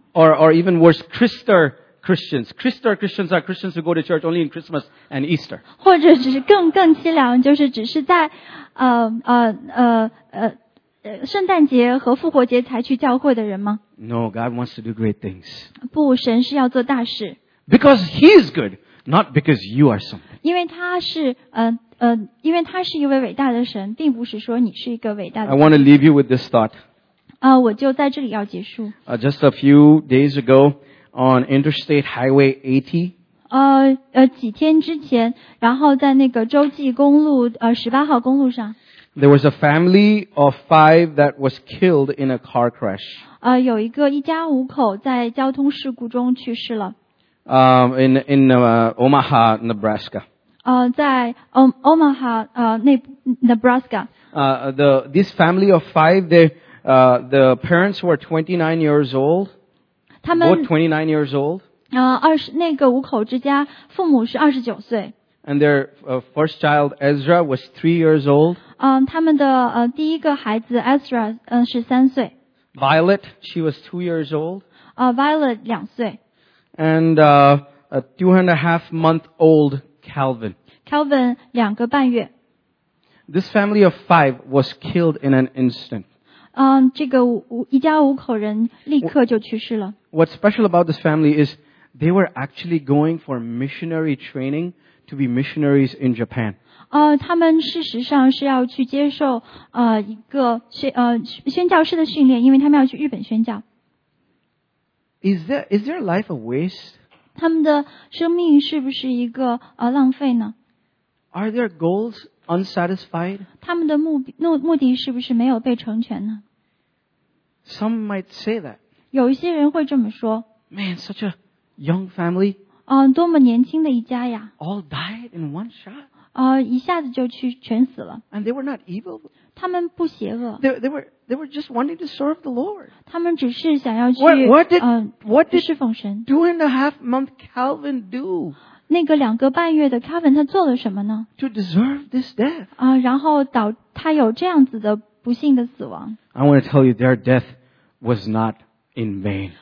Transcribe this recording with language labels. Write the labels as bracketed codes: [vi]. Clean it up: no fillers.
[en] or even worse, Christer Christians. Christer Christians are Christians who go to church only in Christmas and Easter. [zh] 或者只是更凄凉就是只是在圣诞节和复活节才去教会的人吗 [en] No, God wants to do great things. [zh] 不,神是要做大事。 [en] Because He is good, not because you are something. [zh] 因为他是一位伟大的神并不是说你是一个伟大的神。 [en] I want to leave you with this thought. [zh] 我就在这里要结束。 [en] Just a few days ago, on Interstate Highway 80, [zh] 几天之前然后在那个洲际公路18号公路上。 [en] There was a family of five that was killed in a car crash. [zh] 有一个一家五口在交通事故中去世了。 [en] In Omaha, Nebraska. [zh] 在 Omaha, Nebraska. [en] This family of five, the parents were 29 years old. Both 29 years old. [zh] 那个五口之家父母是29岁。 [en] And their first child, Ezra, was 3 years old. [zh] 他们的第一个孩子 Ezra, 是三岁。 [en] Violet, she was 2 years old. [zh] Violet, 两岁。 [en] And a 2.5-month-old Calvin. [zh] Calvin, 两个半月。 [en] This family of five was killed in an instant. [zh] 这个一家五口人立刻就去世了。 [en] What's special about this family is they were actually going for missionary training. To be missionaries in Japan. [zh] 他们事实上是要去接受一个宣教师的训练，因为他们要去日本宣教。 [en] Is there life a waste? [zh] 他们的生命是不是一个浪费呢 [en] ？Are their goals unsatisfied? [zh] 他们的目的是不是没有被成全呢 [en] ？Some might say that. [zh] 有一些人会这么说。 [en] Man, such a young family. [zh] 多么年轻的一家呀 [en] All died in one shot. [zh] 一下子就去全死了 [en] And they were not evil. [zh] 他们不邪恶 [en] they were just wanting to serve the Lord. [zh] 他们只是想要去 [en] what did [zh] 侍奉神 [en] 2.5-month Calvin do? [zh] 那个两个半月的 Calvin 他做了什么呢 [en] To deserve this death. [zh] 然后他有这样子的不幸的死亡 [en] I want to tell you their death was not in vain.